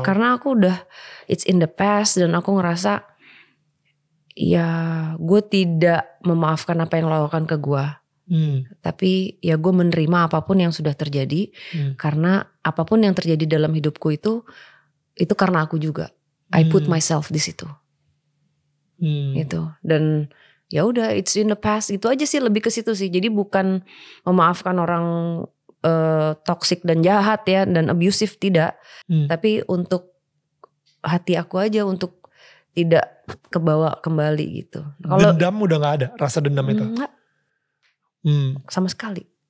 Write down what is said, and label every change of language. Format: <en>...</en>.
<id>Karena aku udah,</id> <en>it's in the past,</en> <id>dan aku ngerasa, ya gue tidak memaafkan apa yang lo lakukan ke gue. Tapi ya gue menerima apapun yang sudah terjadi, karena apapun yang terjadi dalam hidupku itu, itu karena aku juga.</id> <en>I put myself</en> <id>di situ. Gitu. Dan ya udah,</id> <en>it's in the past.</en> <id>Itu aja sih, lebih ke situ sih. Jadi bukan memaafkan orang toxic dan jahat ya, dan abusive, tidak. Tapi untuk hati aku aja, untuk tidak kebawa kembali gitu. Kalo, dendam udah gak ada, rasa dendam itu? Enggak. Sama sekali.</id>